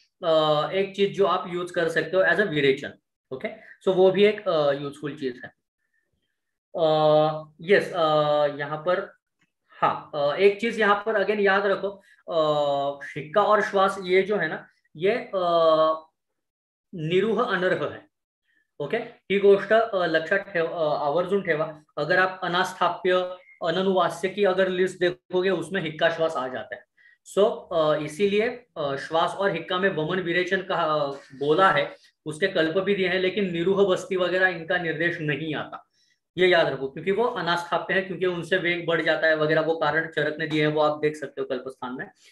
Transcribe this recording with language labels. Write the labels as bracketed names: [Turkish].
[Hindi] एक चीज जो आप यूज कर सकते हो [English] as a [Hindi] विरेचन, ओके, सो वो भी एक यूजफुल चीज है. यस, यहाँ पर हाँ, एक चीज यहाँ पर अगेन याद रखो, शिक्का और श्वास ये जो है ना, ये निरुह अनर्ह है. [Marathi] ओके, ही गोष्ट लक्षात ठेव, आवर्जून ठेवा. [Hindi] अगर आप अनास्थाप्य अननुवास्य की अगर लिस्ट देखोगे उसमें हिक्का श्वास आ जाता है. सो इसीलिए श्वास और हिक्का में वमन विरेचन का बोला है, उसके कल्प भी दिए हैं, लेकिन निरुह बस्ती वगैरह इनका निर्देश नहीं आता, ये याद रखो, क्योंकि वो अनास्थाप्य है, क्योंकि उनसे वेग बढ़ जाता है वगैरह, वो कारण चरक ने दिए हैं, वो आप देख सकते हो कल्पस्थान में.